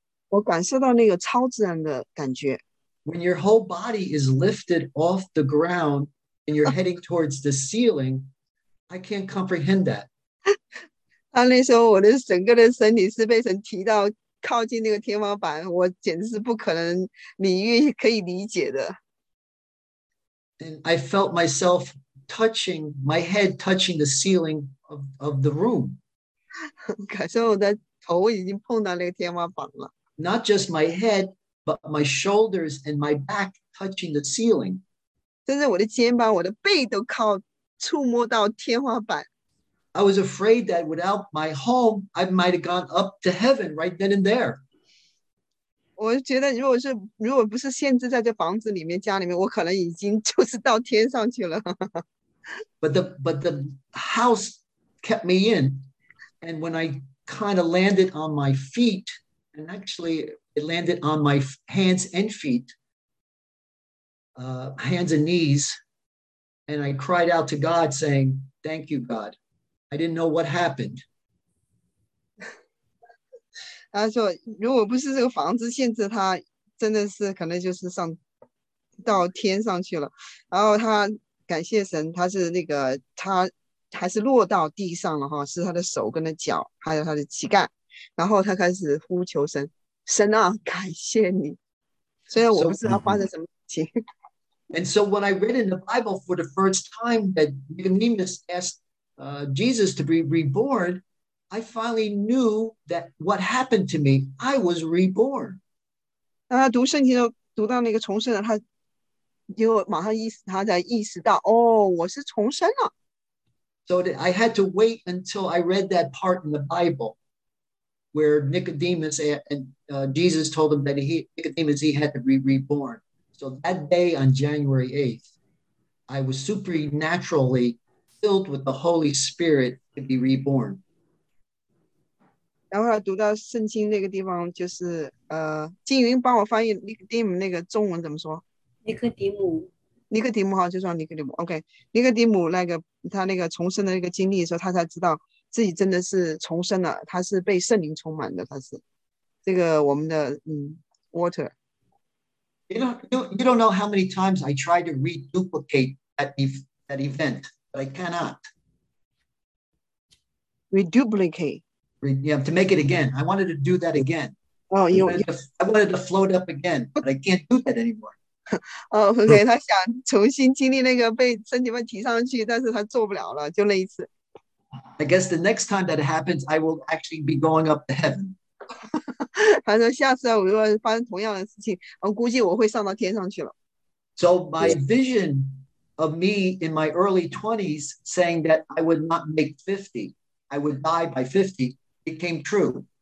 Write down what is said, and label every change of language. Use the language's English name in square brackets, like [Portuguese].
[Chinese] 我感受到那个超自然的感觉。 [English] When your whole body is lifted off the ground and you're heading towards the ceiling, I can't comprehend that. [Chinese] 他那时候我的整个的身体是被神提到靠近那个天花板，我简直是不可能领域可以理解的。 [English] And I felt myself touching, my head touching the ceiling of the room. [Chinese] 感受我的头已经碰到那个天花板了。 [English] Not just my head, but my shoulders and my back touching the ceiling. [Chinese] 甚至我的肩膀、我的背都靠触摸到天花板。 [English] I was afraid that without my home, I might have gone up to heaven right then and there. [Chinese] 我觉得如果是如果不是限制在这房子里面、家里面，我可能已经就是到天上去了。 [English] But the house kept me in, and when I kind of landed on my feet, and actually it landed on my hands and feet, hands and knees, and I cried out to God saying, "Thank you, God." I didn't know what happened. [Chinese] 他说，如果不是这个房子限制他，真的是可能就是上到天上去了。然后他感谢神，他是那个他还是落到地上了哈，是他的手跟他脚，还有他的膝盖。然后他开始呼求神，神啊，感谢你。虽然我不知道发生什么事情。 [English] And so when I read in the Bible for the first time that Nicodemus asked Jesus to be reborn, I finally knew that what happened to me, I was reborn. [Chinese] 当他读圣经，读到那个重生了，他就马上意识，他才意识到，哦，我是重生了。 [English] So I had to wait until I read that part in the Bible where Nicodemus and Jesus told him that he had to be reborn. So that day on January 8th, I was supernaturally filled with the Holy Spirit to be reborn. [Chinese] 然后他读到圣经那个地方，就是静云帮我翻译 Nicodemus 那个中文怎么说？尼克底姆。尼克底姆哈，就说尼克底姆。OK， 尼克底姆那个他那个重生的那个经历的时候，他才知道自己真的是重生了，他是被圣灵充满的，他是这个我们的Water。 [English] You don't know how many times I tried to reduplicate that event, but I cannot. Reduplicate. Yeah, to make it again. I wanted to do that again. Oh, you. I wanted to float up again, but I can't do that anymore. Oh, okay. [Chinese] 他想重新经历那个被身体被提上去，但是他做不了了，就那一次。 [English] I guess the next time that happens, I will actually be going up to heaven. [Chinese] 他说下次我如果发生同样的事情，我估计我会上到天上去了。 [English] So my vision of me in my early 20s saying that I would not make 50, I would die by 50, it came true.